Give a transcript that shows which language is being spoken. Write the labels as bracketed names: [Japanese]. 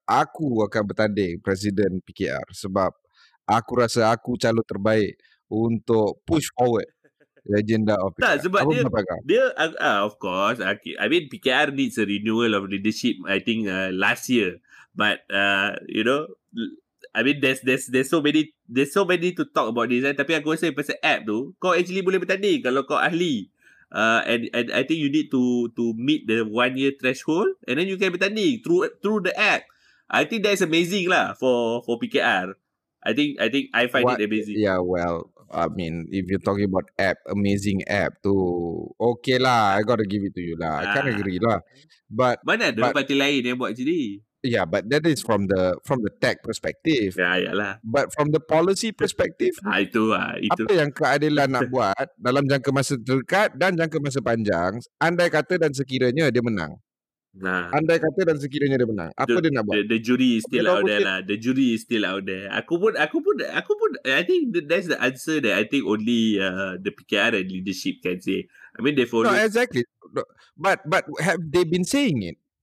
[Malay] Aku akan bertanding Presiden PKR sebab aku rasa aku calon terbaik untuk [English] push forward agenda of PKR. [Malay] Tak, sebab dia [English] of course, okay. I mean, PKR needs a renewal of leadership, I think last year. But you know, I mean, there's so many to talk about this. [Malay] Tapi aku rasa pasal app tu, kau actually boleh bertanding kalau kau ahli. [English] And I think you need to meet the 1 year threshold, and then you can bertanding through the app. I think that's amazing lah for PKR. I think I find it amazing. Yeah, well, I mean, if you're talking about app, amazing app tu, okay lah. I gotta give it to you lah. I can't agree lah. But [Malay] mana ada parti lain yang buat macam ni? [English] Yeah, but that is from the tech perspective. [Malay] Ya, yalah. [English] But from the policy perspective, [Malay] itu. Apa yang keadilan nak buat dalam jangka masa terdekat dan jangka masa panjang, andai kata dan sekiranya dia menang. Nah. Andai kata dan sekiranya dia menang, apa dia nak buat? [English] The jury is still out there lah. The jury is still out there. [Malay] Aku pun [English] I think that's the answer that I think only the PKR and leadership can say. I mean they follow. No, exactly. But have they been saying it?